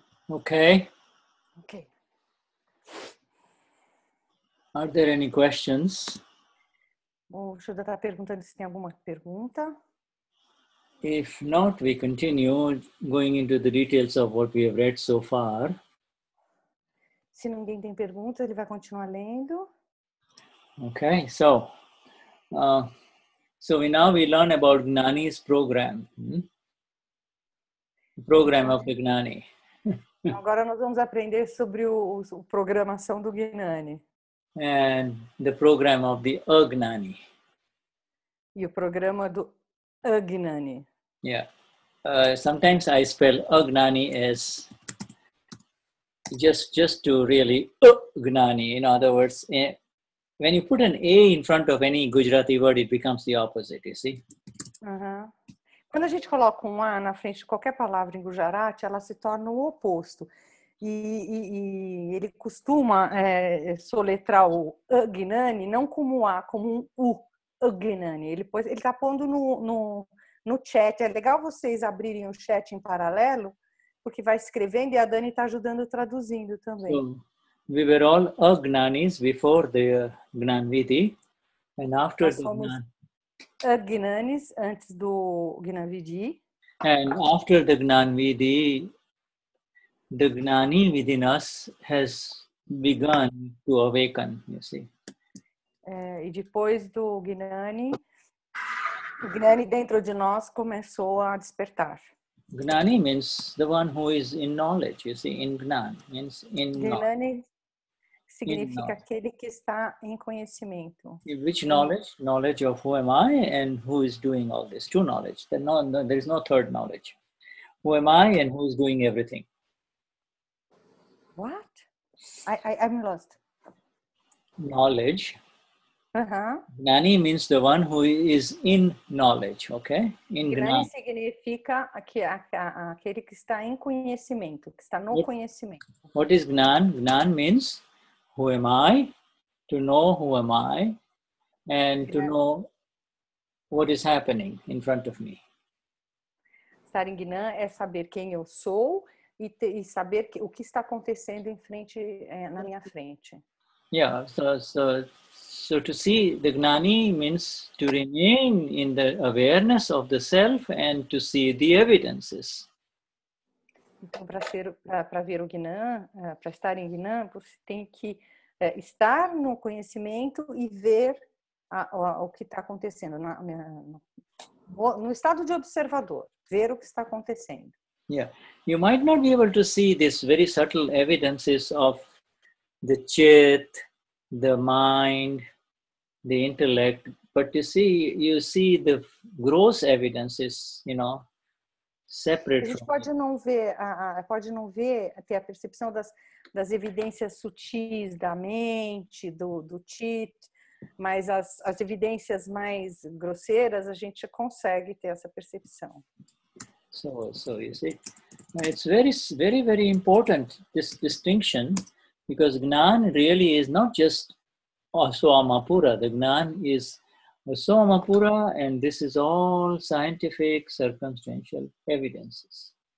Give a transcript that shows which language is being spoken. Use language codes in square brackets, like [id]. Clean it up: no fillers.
[en] Okay. Okay. Are there any questions? [pt] Bom, o Judah está perguntando se tem alguma pergunta. [en] If not, we continue going into the details of what we have read so far. [pt] Se ninguém tem pergunta, ele vai continuar lendo. [en] Okay, so we learn about Gnani's program. The program of the Gnani. [pt] Agora nós vamos aprender sobre o programação do Gnani. [en] And the program of the Agnani. [pt] E o programa do Agnani. [en] Yeah. Sometimes I spell Agnani as just to really Agnani. In other words, when you put an A in front of any Gujarati word, it becomes the opposite, you see? [pt] Quando a gente coloca um A na frente de qualquer palavra em Gujarati, ela se torna o oposto. E ele costuma soletrar o Agnani não como um A, como um U. Agnani. Ele está pondo no chat. É legal vocês abrirem o chat em paralelo, porque vai escrevendo e a Dani está ajudando traduzindo também. [en] So, we were all Agnanis before the Gnanvidhi. And after [pt] nós [en] the [pt] Gnanvidhi. Agnanis antes do Gnanvidhi. [en] And after the Gnanvidhi, the Gnani within us has begun to awaken, you see. [pt] E depois do Gnani, o Gnani dentro de nós começou a despertar. [en] Gnani means the one who is in knowledge, you see, in Gnan, means in knowledge. [pt] Gnani significa aquele que está em conhecimento. [en] Which knowledge? Knowledge of who am I and who is doing all this. Two knowledge. There is no third knowledge. Who am I and who is doing everything. What? I'm lost. Knowledge. Uh-huh. Gnani means the one who is in knowledge, okay? In [pt] Gnani significa aquele que está em conhecimento, que está no conhecimento. [en] What is Gnan? Gnan means... Who am I? To know who am I and to know what is happening in front of me. [pt] Estar em Gnan é saber quem eu sou e saber o que está acontecendo em frente, na minha frente. [en] Yeah, so to see the Gnani means to remain in the awareness of the self and to see the evidences. [pt] Então, para ver o Gnan, para estar em Gnan, você tem que estar no conhecimento e ver o que está acontecendo. No estado de observador, ver o que está acontecendo. [en] Yeah. You might not be able to see these very subtle evidences of the chit, the mind, the intellect, but you see the gross evidences, you know. Separate. [pt] A gente pode não ver, pode não ver, ter a percepção das evidências sutis da mente, do chit, mas as evidências mais grosseiras a gente consegue ter essa percepção. [en] So you see, it's very, very, very important this distinction, because Gnan really is not just Soamapura. The Gnan is Soamapura, and this is all scientific, circumstantial evidences.